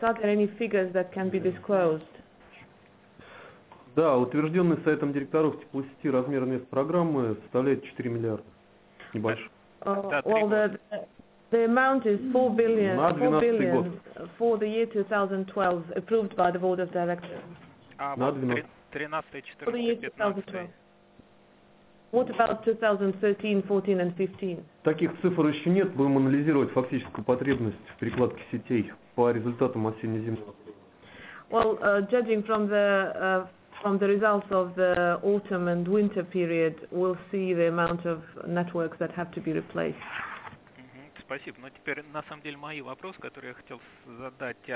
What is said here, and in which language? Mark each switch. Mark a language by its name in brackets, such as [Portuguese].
[English] Are there any figures that can be disclosed? [Russian] Да, утвержденный Советом директоров теплосети размер мест программы составляет 4 миллиарда. Небольшой. [English] Well, the amount is 4 billion, 4 billion for the year 2012, approved by the Board of Directors. [Russian] На 2013-2014. [English] What about 2013-2014-2015? [Russian] Таких цифр еще нет. Будем анализировать фактическую потребность в перекладке сетей по результатам осенне-зимнего. [English] Well, judging from the from the results of the autumn and winter period, we'll see the amount of networks that have to be replaced. [Russian] Спасибо. Но теперь, на самом деле, мои вопросы, которые я хотел задать.